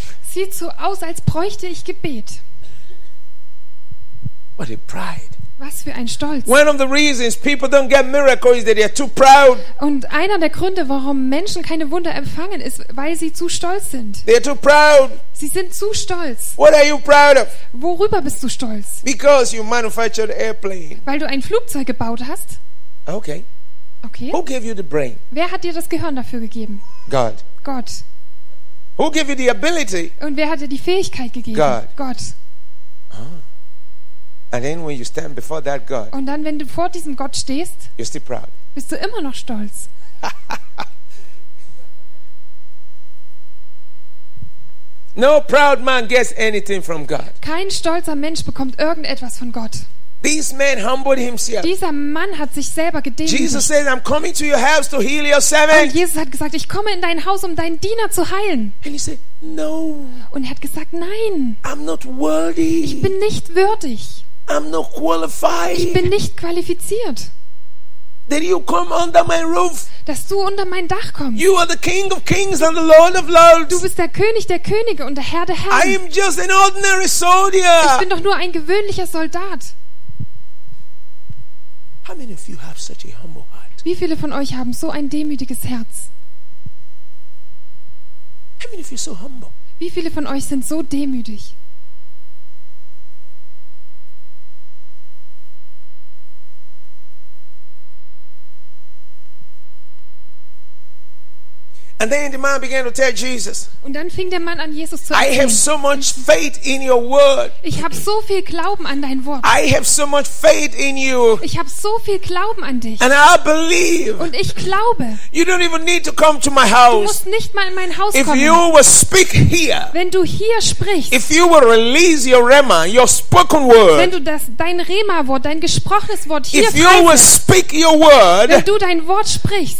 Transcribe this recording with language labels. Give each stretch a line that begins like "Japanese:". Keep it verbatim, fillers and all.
German: Sieht so aus, als bräuchte ich Gebet.
English: What a pride.
German: Was für ein Stolz.
English: One of the reasons people don't get miracle is that they are too proud.
German: Und einer der Gründe, warum Menschen keine Wunder empfangen, ist, weil sie zu stolz sind.
English: They are too proud.
German: Sie sind zu stolz.
English: What are you proud of?
German: Worüber bist du stolz?
English: Because you manufactured airplane.
German: Weil du ein Flugzeug gebaut hast?
English: Okay.
German: Okay.
English: Who gave you the brain?
German: Wer hat dir das Gehirn dafür gegeben?
English: God.
German: Gott.
English: Who give you the ability?
German: Und wer hatte die Fähigkeit gegeben?
English: God.
German: Gott. Ah.
English: And then when you stand before that God,
German: Und dann, wenn du vor diesem Gott stehst,
English: you're still proud.
German: bist du immer noch stolz.
English: No proud man gets anything from God.
German: Kein stolzer Mensch bekommt irgendetwas von Gott.
English: This man humbled himself.
German: Dieser Mann hat sich selber gedehnt.
English: Jesus said, "I'm coming to your house to heal your servant."
German: Und Jesus hat gesagt, ich komme in dein Haus, um deinen Diener zu heilen.
English: And he said, "No.
German: Und er hat gesagt, nein.
English: I'm not worthy.
German: Ich bin nicht würdig.
English: I'm not qualified."
German: Ich bin nicht qualifiziert.
English: That you come under my roof.
German: Dass du unter mein Dach kommst.
English: You are the King of Kings and the Lord of Lords.
German: Du bist der König der Könige und der Herr der
English: I
German: Herren.
English: am just an ordinary soldier.
German: Ich bin doch nur ein gewöhnlicher Soldat.
English: I mean, if you have such a humble heart.
German: Wie viele von euch haben so ein demütiges Herz?
English: I mean, if you're so humble.
German: Wie viele von euch sind so demütig?
English: And then the man began to tell Jesus,
German: Und dann fing der Mann an, Jesus zu
English: "I have
German: erzählen.
English: so much faith in your word.
German: Ich habe so viel Glauben an dein Wort.
English: I have so much faith in you.
German: Ich habe so viel Glauben an dich.
English: And I believe
German: Und ich glaube,
English: you don't even need to come to my
German: du
English: house.
German: musst nicht mal in mein Haus
English: If
German: kommen.
English: you will speak here,
German: Wenn du hier sprichst,
English: if you will release your rhema, your spoken word,
German: wenn du das, dein Rhema-Wort, dein gesprochenes Wort hier
English: if you will
German: sprichst,
English: speak your word,
German: wenn du dein Wort sprichst,